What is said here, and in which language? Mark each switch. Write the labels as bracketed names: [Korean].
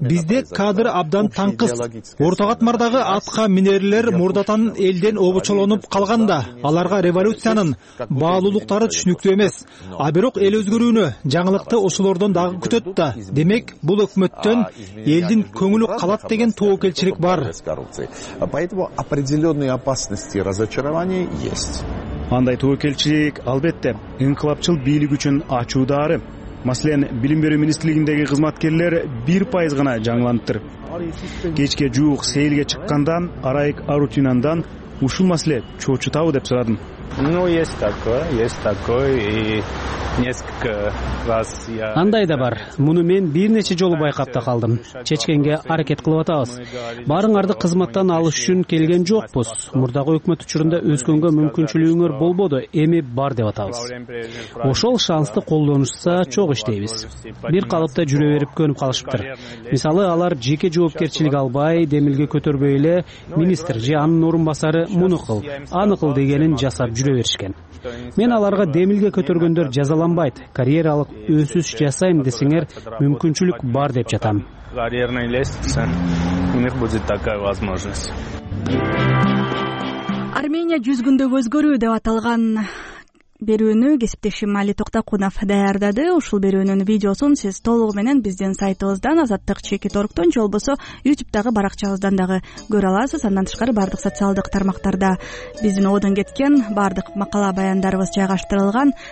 [Kyrgyz] Бизде кадр абдан таңкыс. Орто катмардагы атка минерлер мурдатан элден обочолонуп калганда, аларга революциянын баалуулуктары түшүнүктүү эмес. А бирок эл өзгөрүүнү, жаңылыкты ошолордон дагы күтөт да. Демек, бул өкмөттөн элдин көңүлү калат деген тоокелчилик бар. [Russian] Поэтому определенные опасности и разочарования есть. [Kyrgyz] Андай тоокелчилик албетте инкылапчыл бийлик үчүн ачуу даары. Маселен, билим берүү министрлигиндеги кызматкерлер 1% гана жаңылантыр. Кечке жуук сейилге чыккандан Арайык Арутюнандан ушул маселе чоочутабы деп сурадым. [Russian] Ну, есть такое и несколько раз я. [Kyrgyz] Андай да бар. Муну мен бир нече жолу байкап да калдым. Чечкенге аракет кылып атабыз. Баарыңарды кызматтан алыш үчүн келген жокпуз. Мурдагы өкмөт учурунда өзгөнгө мүмкүнчүлүгүңөр болбоду, эми бар деп атабыз. Ошол шансты колдонушса чогу иштейбиз. Бир калыпта жүрө берип көнүп калышыптыр. Мисалы, алар жеке жоопкерчилик албай, демилге көтөрбөй эле министр же анын орун басары муну кыл, аны кыл дегенин жасап жүрө беришкен. Мен аларга демилге көтөргөндөр жазаланбайт, карьералык өсүш жасайм десеңер мүмкүнчүлүк бар деп жатам. [Russian] Карьерная лестница, у них будет такая возможность. [Kyrgyz] Армения 100 күндө өзгөрүү деп аталган берүүнү кесиптешим Али Токтокунов даярдады. Ушул берүүнүн видеосун сиз толугу менен биздин сайтыбыздан, азаттык чекит.org же болбосо YouTube-дагы баракчабыздан дагы көрө аласыз. Андан тышкары бардык социалдык тармактарда биздин одон кеткен бардык макала баяндарыбыз жайгаштырылган.